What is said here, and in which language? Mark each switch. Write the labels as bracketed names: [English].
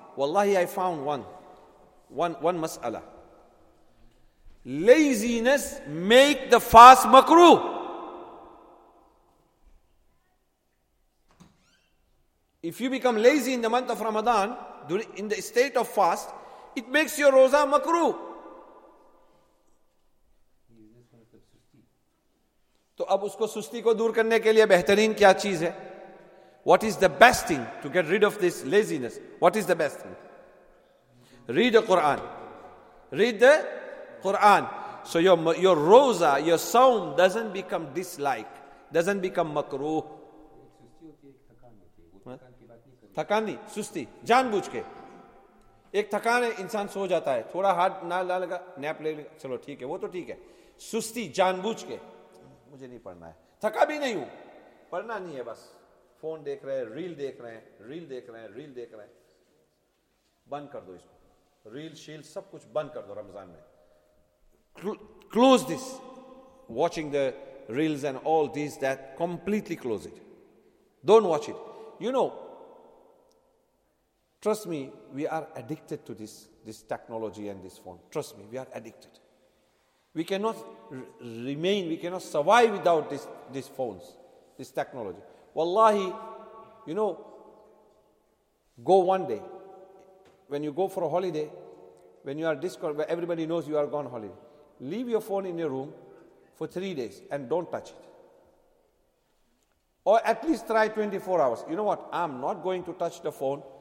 [English] Wallahi, I found one mas'ala. Laziness make the fast makruh. If you become lazy in the month of Ramadan, in the state of fast, it makes your roza makruh. [Urdu] تو اب اس کو سستی کو دور کرنے کے لیے بہترین کیا چیز ہے؟ [English] What is the best thing to get rid of this laziness? What is the best thing? Read the Quran. Read the Quran. So your roza, your saum doesn't become dislike, doesn't become makruh. [Urdu] تھکانی سستی جان بوجھ کے ایک تھکان ہے انسان سو جاتا ہے تھوڑا ہارڈ نہ لگا نیپ لے لے چلو ٹھیک ہے وہ تو ٹھیک ہے سستی جان بوجھ کے مجھے نہیں پڑھنا ہے تھکا بھی نہیں ہوں پڑھنا نہیں ہے بس فون دیکھ رہے ہیں ریل دیکھ رہے ہیں ریل دیکھ رہے ہیں ریل دیکھ رہے ہیں بند کر دو اس کو ریل شیل سب کچھ بند کر دو رمضان میں [English] Close this watching the reels and all this that completely close it don't watch it you know trust me we are addicted to this technology and this phone trust me we are addicted We cannot remain, we cannot survive without these phones, this technology. Wallahi, you know, go one day. When you go for a holiday, when you are discovered, everybody knows you are gone holiday. Leave your phone in your room for 3 days and don't touch it. Or at least try 24 hours. You know what? I'm not going to touch the phone.